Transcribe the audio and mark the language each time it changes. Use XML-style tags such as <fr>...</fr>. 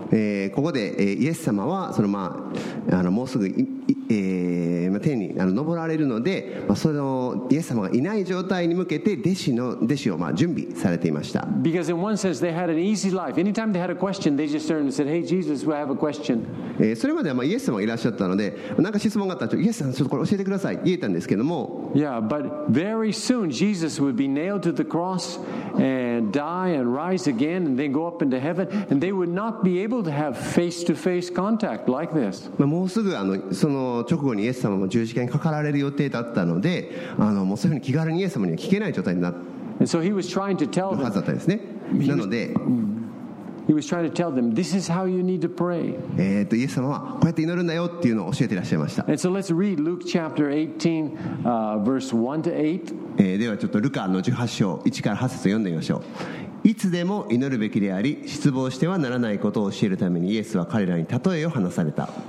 <ja>ここで、イエス様はそのまあ、もうすぐ天に昇られるので、そのイエス様がいない状態に向けて弟子を準備されていました。</ja> <en>Because in one sense they had an easy life. Anytime they had a question, they just turned and said, "Hey, Jesus, we have a question."</en> <ja>それまではイエス様がいらっしゃったので、何か質問があったらイエス様ちょっとこれ教えてください。言えたんですけども。</ja> <en>Yeah, but very soon Jesus would be nailed to the cross and die and rise again and then go up into heaven, and they would not be able to have face-to-face contact like this.</en> <ja>もうすぐその直後にイエス様も十字架にかかられる予定だったので、もうそういうふうに気軽にイエス様には聞けない状態になったのだったですね。なので</ja> <en>He was trying to tell them, "This is how you need to pray."</en> <ja>イエス様はこうやって祈るんだよっていうのを教えていらっしゃいました。</ja> <en>And so let's read Luke chapter 18, verse 1 to 8.</en> <ja>ではちょっとルカの18章1から8節を読んでみましょう。いつでも祈るべきであり、失望してはならないことを教えるためにイエスは彼らに例えを話された。</ja>